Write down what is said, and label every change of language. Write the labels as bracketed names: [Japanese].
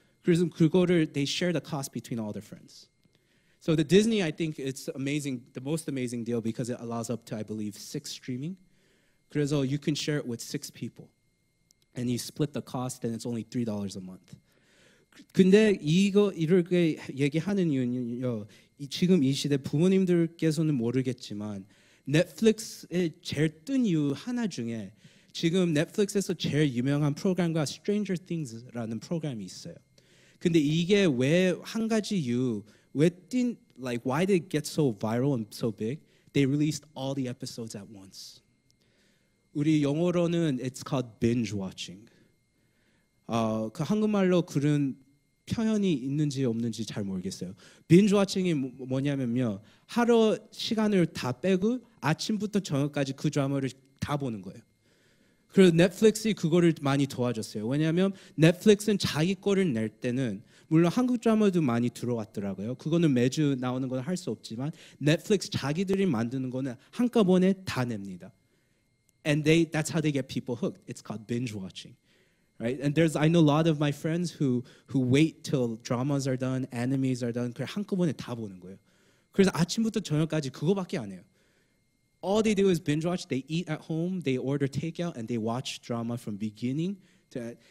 [Korean] 그래서 그거를 [English] they share the cost between all their friends. So the Disney, I think it's amazing, the most amazing deal because it allows up to, I believe, six streaming. 그래서 you can share it with six people, and you split the cost, and it's only $3 a month. [Korean] 근데 이거 이렇게 얘기하는 이유는요. 지금 이 시대 부모님들께서는 모르겠지만 넷플릭스에 제일 뜬 이유 하나 중에 지금 넷플릭스에서 제일 유명한 프로그램과 Stranger Things라는 프로그램이 있어요. 근데 이게 왜 한 가지 이유 왜 뜬 [English] like why did it get so viral and so big? They released all the episodes at once. [Korean] 우리 영어로는 [English] it's called binge watching. [Korean] 그 한국말로 그런 표현이 있는지 없는지 잘 모르겠어요. Binge watching이 뭐냐면요, 하루 시간을 다 빼고 아침부터 저녁까지 그 드라마를 다 보는 거예요. 그리고 넷플릭스 그거를 많이 도와줬어요. 왜냐하면 넷플릭스는 자기 거를 낼 때는 물론 한국 드라마도 많이 들어왔더라고요. 그거는 매주 나오는 건 할 수 없지만 넷플릭스 자기들이 만드는 거는 한꺼번에 다 냅니다. [English] And that's how they get people hooked. It's called binge watching. Right? And there's I know a lot of my friends who wait till dramas are done, animes are done. [Korean] 그래 한꺼번에 다 보는 거예요. 그래서 아침부터 저녁까지 그거밖에 안 해요. [English] All they do is binge watch. They eat at home, they order takeout, and they watch drama from beginning to end.